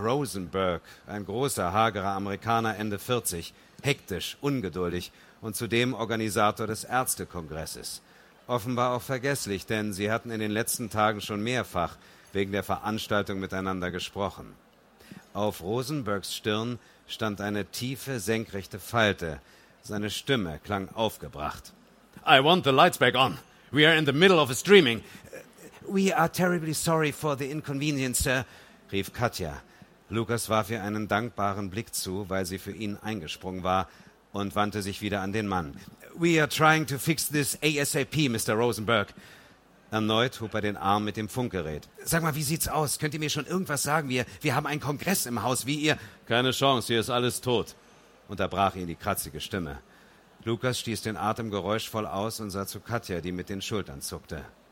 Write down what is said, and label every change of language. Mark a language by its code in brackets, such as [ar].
[de] Rosenberg, ein großer, hagerer Amerikaner, Ende 40, hektisch, ungeduldig und zudem Organisator des Ärztekongresses. Offenbar auch vergesslich, denn sie hatten in den letzten Tagen schon mehrfach wegen der Veranstaltung miteinander gesprochen. Auf Rosenbergs Stirn stand eine tiefe, senkrechte Falte. Seine Stimme klang aufgebracht. [en] I want the lights back on. We are in the middle of a streaming. We are terribly sorry for the inconvenience, sir, [de] rief Katja. Lukas warf ihr einen dankbaren Blick zu, weil sie für ihn eingesprungen war, und wandte sich wieder an den Mann. [en] We are trying to fix this ASAP, Mr. Rosenberg. [de] Erneut hob er den Arm mit dem Funkgerät. Sag mal, wie sieht's aus? Könnt ihr mir schon irgendwas sagen? Wir haben einen Kongress im Haus, wie ihr... Keine Chance, hier ist alles tot, unterbrach ihn die kratzige Stimme. Lukas stieß den Atem geräuschvoll aus und sah zu Katja, die mit den Schultern zuckte.